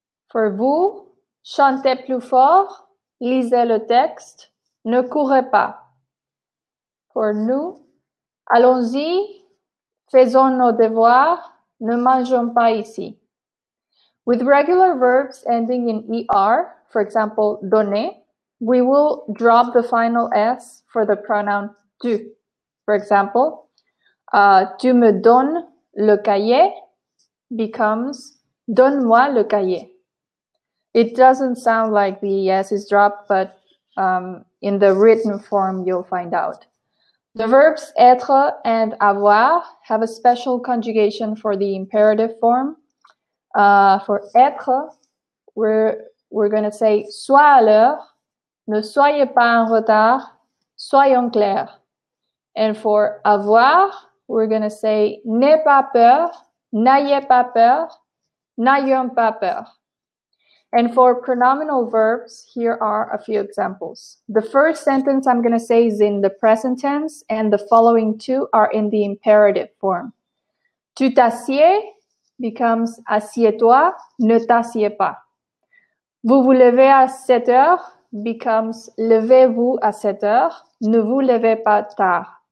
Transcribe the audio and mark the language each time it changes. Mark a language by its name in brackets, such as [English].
[French] For vous, chantez plus fort, lisez le texte, ne courez pas. For nous, allons-y, faisons nos devoirs, ne mangeons pas ici. [English] With regular verbs ending in ER, for example, donner, we will drop the final S for the pronoun tu. For example, [French] tu me donnes. Le cahier becomes donne-moi le cahier. [English] It doesn't sound like the S is dropped, but in the written form, you'll find out. The verbs être and avoir have a special conjugation for the imperative form. For être, we're going to say [French] sois à l'heure, ne soyez pas en retard, soyons clairs. [English] And for avoir, we're going to say, [French] n'aie pas peur, n'ayez pas peur, n'ayons pas peur. [English] And for pronominal verbs, here are a few examples. The first sentence I'm going to say is in the present tense, and the following two are in the imperative form. [French] Tu t'assieds becomes assieds-toi, ne t'assieds pas. Vous vous levez à 7 heures becomes levez-vous à 7 heures, ne vous levez pas tard.